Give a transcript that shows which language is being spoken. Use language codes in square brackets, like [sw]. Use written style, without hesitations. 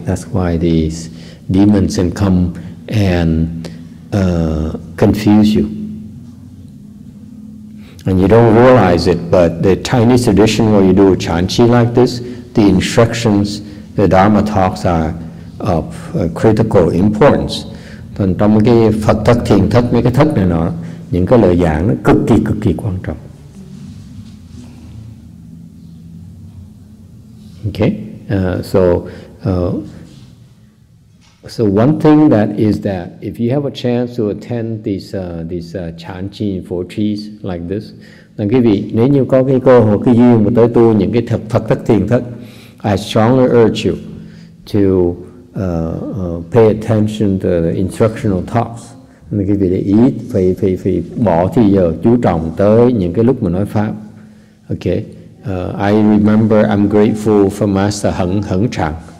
[en] That's why these demons can come and confuse you. And you don't realize it, but the Chinese tradition where you do Chan Chi like this, the instructions, the Dharma talks are of critical importance. [vi] Thành trong cái Phật thất, thiền thất, mấy cái thất này nọ, những cái lời giảng nó cực kỳ quan trọng. [en] Okay, so one thing that is that if you have a chance to attend these Chan Chi Four Trees like this, then [vi] quý vị nếu như có cái cơ hội, cái duyên mà tới tu những cái Phật thất, thiền thất, [en] I strongly urge you to pay attention to the instructional talks. [vi] Nên cái việc để ý phải bỏ thì giờ chú trọng tới những cái lúc mà nói pháp. [en] Okay. I remember I'm grateful for Master Hằng Trạng.